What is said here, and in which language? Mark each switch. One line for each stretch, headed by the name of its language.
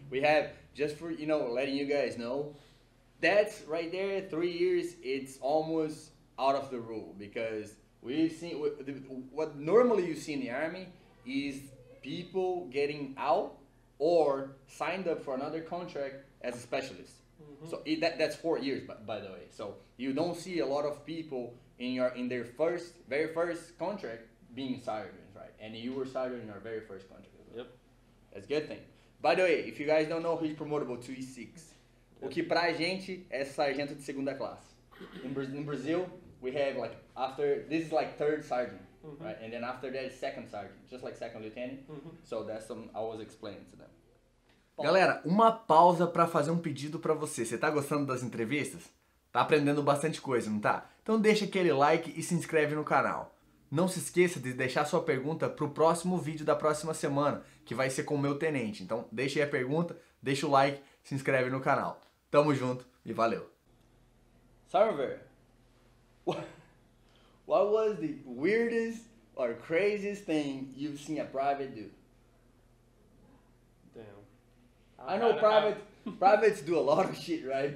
English: We have, just for, you know, letting you guys know, that's right there, 3 years, it's almost out of the rule, because we've seen, what normally you see in the army is people getting out or signed up for another contract as a specialist. Mm-hmm. So that's 4 years, by the way. So you don't see a lot of people in their first, very first contract being sergeant, right? And you were sergeant in our very first contract. Yep. That's a good thing. By the way, if you guys don't know, he's promotable to E6.
Portuguese: O que pra gente é sargento de segunda classe.
English: In Brazil, we have like, after, this is like third sergeant, mm-hmm. right? And then after that is second sergeant, just like second lieutenant. Mm-hmm. So that's some I was explaining to them.
Portuguese: Galera, uma pausa pra fazer um pedido pra você. Você tá gostando das entrevistas? Tá aprendendo bastante coisa, não tá? Então deixa aquele like e se inscreve no canal. Não se esqueça de deixar sua pergunta pro próximo vídeo da próxima semana, que vai ser com o meu tenente. Então deixa aí a pergunta, deixa o like, se inscreve no canal. Tamo junto e valeu.
English: Server, what was the weirdest or craziest thing you've seen a private do? Damn. I know privates do a lot of shit, right?